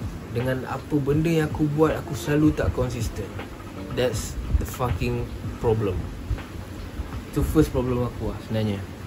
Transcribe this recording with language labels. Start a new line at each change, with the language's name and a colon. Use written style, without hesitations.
Malay: Dengan apa benda yang aku buat, aku selalu tak konsisten.
English: That's the fucking problem.
Malay: Itu
English: first problem
Malay: aku lah sebenarnya.